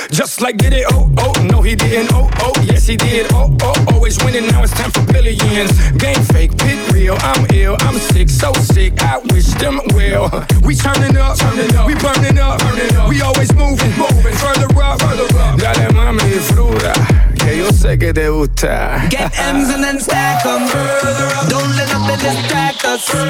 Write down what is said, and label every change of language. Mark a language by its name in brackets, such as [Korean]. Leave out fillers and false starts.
[English] Just like did it, oh, oh, no he didn't, oh, oh, yes he did, oh, oh, always winning, now it's time for billions. Game fake, pit real, I'm ill, I'm sick, so sick, I wish them well. We turning up, we burning up, burning up. We always moving, moving, further up, further up. [Spanish] Dale mami, fruta, que yo sé que te gusta. [English] Get M's and then stack them. Don't let nothing distract us.